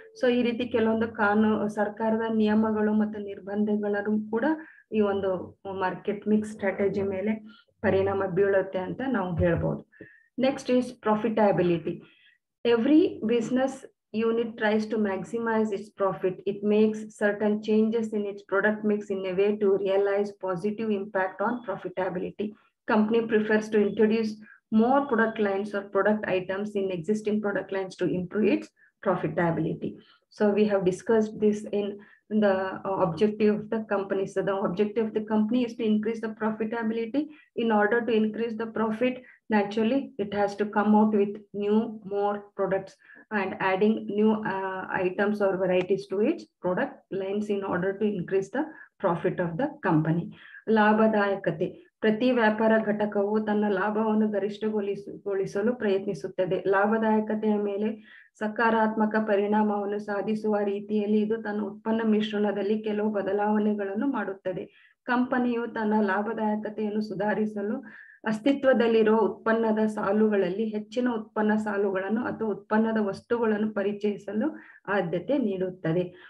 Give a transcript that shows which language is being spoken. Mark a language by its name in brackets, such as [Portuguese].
[Kannada] So ಈ ರೀತಿ ಕೆಲವೊಂದು ಸರ್ಕಾರದ ನಿಯಮಗಳು ಮತ್ತು ನಿರ್ಬಂಧಗಳನ್ನು ಕೂಡ ಈ ಒಂದು ಮಾರ್ಕೆಟ್ ಮಿಕ್ಸ್ ಸ್ಟ್ರಾಟಜಿ ಮೇಲೆ ಪರಿಣಾಮ ಬೀಳುತ್ತೆ ಅಂತ ನಾವು ಹೇಳ್ಬೋದು. [English] Next is profitability. Every business unit tries to maximize its profit. It makes certain changes in its product mix in a way to realize positive impact on profitability. Company prefers to introduce more product lines or product items in existing product lines to improve its profitability. So we have discussed this in the objective of the company. So the objective of the company is to increase the profitability. In order to increase the profit, naturally it has to come out with new, more products and adding new items or varieties to its product lines in order to increase the profit of the company. [Kannada] ಲಾಭದಾಯಕತೆ. ಪ್ರತಿ ವ್ಯಾಪಾರ ಘಟಕವು ತನ್ನ ಲಾಭವನ್ನು ಗರಿಷ್ಠಗೊಳಿಸಲು ಪ್ರಯತ್ನಿಸುತ್ತದೆ. ಲಾಭದಾಯಕತೆಯ ಮೇಲೆ ಸಕಾರಾತ್ಮಕ ಪರಿಣಾಮವನ್ನು ಸಾಧಿಸುವ ರೀತಿಯಲ್ಲಿ ಇದು ತನ್ನ ಉತ್ಪನ್ನ ಮಿಶ್ರಣದಲ್ಲಿ ಕೆಲವು ಬದಲಾವಣೆಗಳನ್ನು ಮಾಡುತ್ತದೆ. ಕಂಪನಿಯು ತನ್ನ ಲಾಭದಾಯಕತೆಯನ್ನು ಸುಧಾರಿಸಲು ಅಸ್ತಿತ್ವದಲ್ಲಿರುವ ಉತ್ಪನ್ನದ ಸಾಲುಗಳಲ್ಲಿ ಹೆಚ್ಚಿನ ಉತ್ಪನ್ನ ಸಾಲುಗಳನ್ನು ಅಥವಾ ಉತ್ಪನ್ನದ ವಸ್ತುಗಳನ್ನು ಪರಿಚಯಿಸಲು ಆದ್ಯತೆ ನೀಡುತ್ತದೆ.